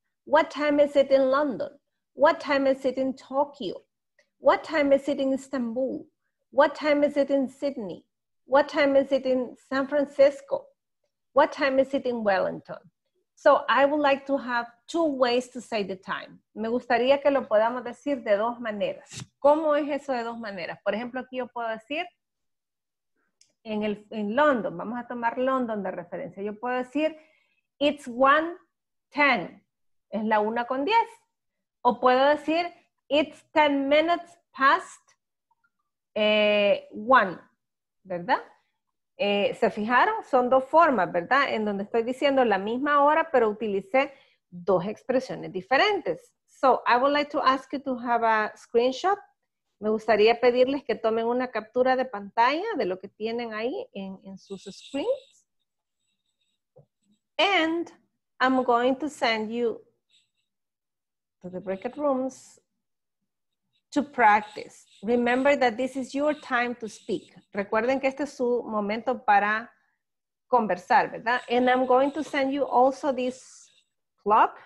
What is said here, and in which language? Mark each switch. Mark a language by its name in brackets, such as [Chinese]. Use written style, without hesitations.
[English] What time is it in London? What time is it in Tokyo? What time is it in Istanbul? What time is it in Sydney? What time is it in San Francisco? What time is it in Wellington? So I would like to have two ways to say the time. [Spanish] Me gustaría que lo podamos decir de dos maneras. ¿Cómo es eso de dos maneras? Por ejemplo, aquí yo puedo decir en London. Vamos a tomar London de referencia. Yo puedo decir [English] it's 1:10. [Spanish] Es la 1:10. O puedo decir [English] it's 10 minutes past 1. [Spanish] ¿Verdad? ¿Se fijaron? Son dos formas, ¿verdad? En donde estoy diciendo la misma hora, pero utilicé dos expresiones diferentes. [English] So, I would like to ask you to have a screenshot. [Spanish] Me gustaría pedirles que tomen una captura de pantalla de lo que tienen ahí en sus screens. [English] And I'm going to send you to the breakout rooms to practice. Remember that this is your time to speak. [Spanish] Recuerden que este es su momento para conversar, ¿verdad? [English] And I'm going to send you also this clock.